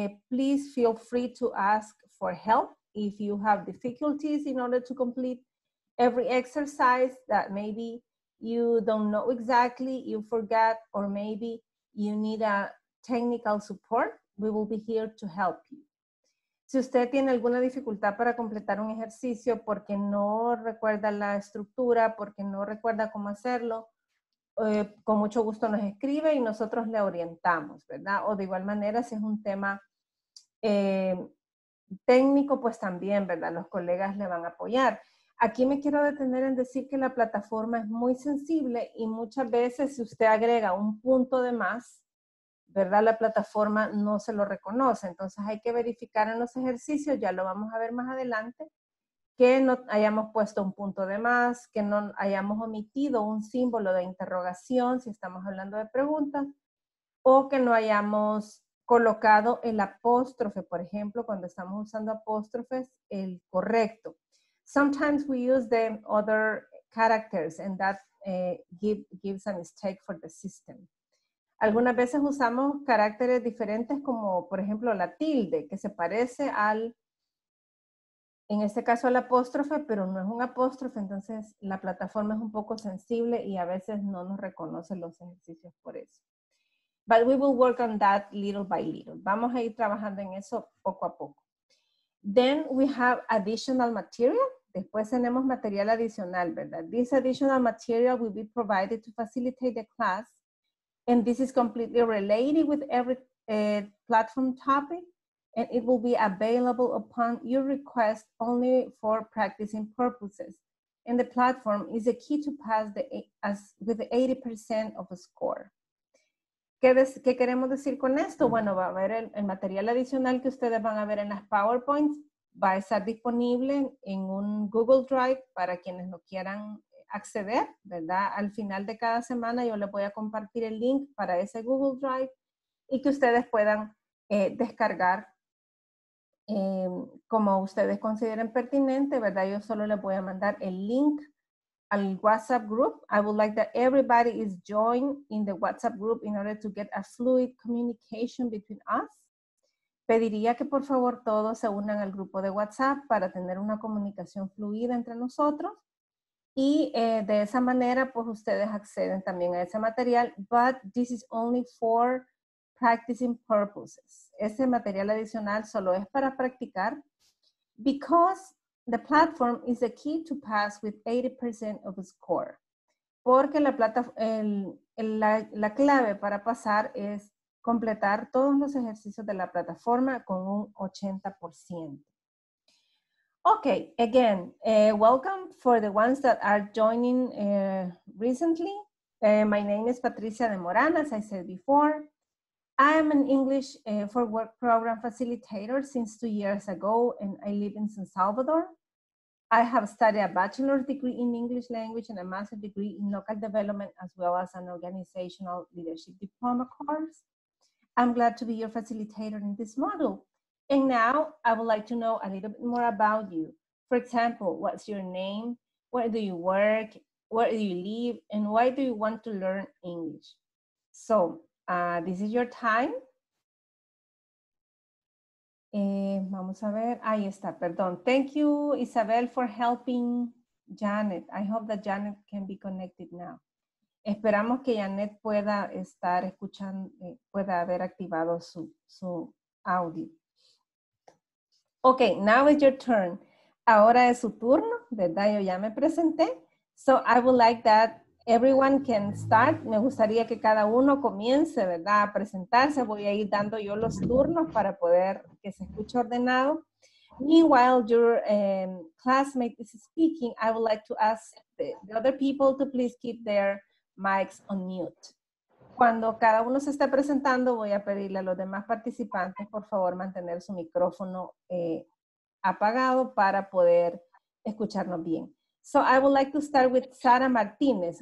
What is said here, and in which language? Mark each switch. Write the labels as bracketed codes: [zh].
[en] Please feel free to ask for help if you have difficulties in order to complete every exercise that maybe you don't know exactly, you forgot, or maybe you need a technical support, we will be here to help you. [es] Si usted tiene alguna dificultad para completar un ejercicio porque no recuerda la estructura, porque no recuerda cómo hacerlo, con mucho gusto nos escribe y nosotros le orientamos, ¿verdad? O de igual manera, si es un tema técnico, pues también, ¿verdad? Los colegas le van a apoyar. Aquí me quiero detener en decir que la plataforma es muy sensible y muchas veces si usted agrega un punto de más, ¿verdad? La plataforma no se lo reconoce. Entonces hay que verificar en los ejercicios, ya lo vamos a ver más adelante, que no hayamos puesto un punto de más, que no hayamos omitido un símbolo de interrogación si estamos hablando de preguntas, o que no hayamos colocado el apóstrofe, por ejemplo, cuando estamos usando apóstrofes, el correcto. [en] Sometimes we use the other characters and that gives a mistake for the system. [es] Algunas veces usamos caracteres diferentes como, por ejemplo, la tilde, que se parece al, en este caso, al apóstrofe, pero no es un apóstrofe. Entonces, la plataforma es un poco sensible y a veces no nos reconoce los ejercicios por eso. [en] But we will work on that little by little. [es] Vamos a ir trabajando en eso poco a poco. [en] Then we have additional material. [es] Después tenemos material adicional, ¿verdad? [en] This additional material will be provided to facilitate the class. And this is completely related with every platform topic, and it will be available upon your request only for practicing purposes. And the platform is the key to pass with 80% of a score. [es] ¿Qué queremos decir con esto? Bueno, va a haber el material adicional que ustedes van a ver en las PowerPoints, va a estar disponible en un Google Drive para quienes lo quieran acceder, ¿verdad? Al final de cada semana yo les voy a compartir el link para ese Google Drive y que ustedes puedan descargar como ustedes consideren pertinente, ¿verdad? Yo solo les voy a mandar el link al [en] WhatsApp group. I would like that everybody is joined in the WhatsApp group in order to get a fluid communication between us. [es] Pediría que por favor todos se unan al grupo de WhatsApp para tener una comunicación fluida entre nosotros. Y de esa manera, pues ustedes acceden también a ese material, [en] but this is only for practicing purposes. [es] Ese material adicional solo es para practicar, [en] because the platform is the key to pass with 80% of the score. [es] Porque la clave para pasar es completar todos los ejercicios de la plataforma con un 80%. [en] Okay, again, welcome for the ones that are joining recently. My name is Patricia de Moran, as I said before. I am an English for Work program facilitator since 2 years ago, and I live in San Salvador. I have studied a bachelor's degree in English language and a master's degree in local development, as well as an organizational leadership diploma course. I'm glad to be your facilitator in this module. And now I would like to know a little bit more about you. For example, what's your name? Where do you work? Where do you live? And why do you want to learn English? So this is your time. [es] Vamos a ver. Ahí está, perdón. [en] Thank you, Isabel, for helping Janet. I hope that Janet can be connected now. [es] Esperamos que Janet pueda estar escuchando, pueda haber activado su audio. [en] Okay, now it's your turn. [es] Ahora es su turno, ¿verdad? Yo ya me presenté. [en] So I would like that everyone can start. [es] Me gustaría que cada uno comience, ¿verdad? A presentarse. Voy a ir dando yo los turnos para poder que se escuche ordenado. [en] Meanwhile, your classmate is speaking. I would like to ask the other people to please keep their mics on mute. [es] Cuando cada uno se esté presentando, voy a pedirle a los demás participantes, por favor, mantener su micrófono apagado para poder escucharnos bien. [en] So I would like to start with Sara Martinez.